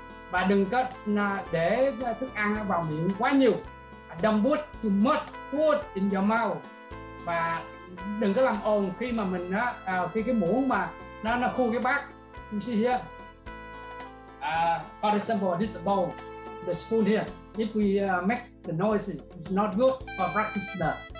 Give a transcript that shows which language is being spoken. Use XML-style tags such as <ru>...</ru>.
<vi>Và đừng có để thức ăn vào miệng quá nhiều.</vi> <en>Don't put too much food in your mouth.</en> <vi>Và đừng có làm ồn khi mà mình á, khi cái muỗng mà nó khu cái bát.</vi> <en>You see here, for example, this bowl, the spoon here, if we make the noise, it's not good for practitioner.</en>